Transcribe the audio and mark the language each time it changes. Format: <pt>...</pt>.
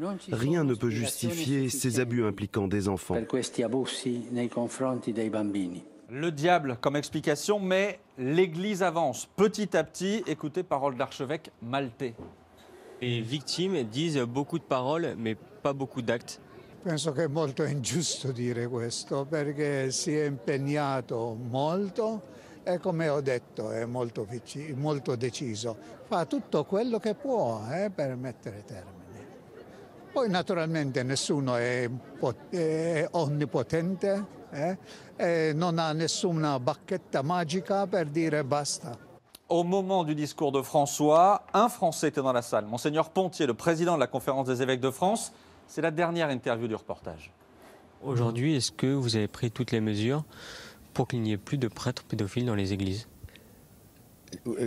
<fr>Rien ne peut justifier ces abus impliquant des enfants. Le diable comme explication, mais l'Église avance petit à petit. Écoutez, parole d'archevêque maltais. Les victimes disent beaucoup de paroles, mais pas beaucoup d'actes.</fr> <it>Penso che è molto ingiusto dire questo perché si è impegnato molto e come ho detto è molto molto deciso. Fa tutto quello che può per mettere termine. Poi naturalmente nessuno è onnipotente e non ha nessuna bacchetta magica per dire basta.</it> <fr>Au moment du discours de François, un Français était dans la salle, Monseigneur Pontier, le président de la Conférence des évêques de France. C'est la dernière interview du reportage. Aujourd'hui, est-ce que vous avez pris toutes les mesures pour qu'il n'y ait plus de prêtres pédophiles dans les églises ?</fr>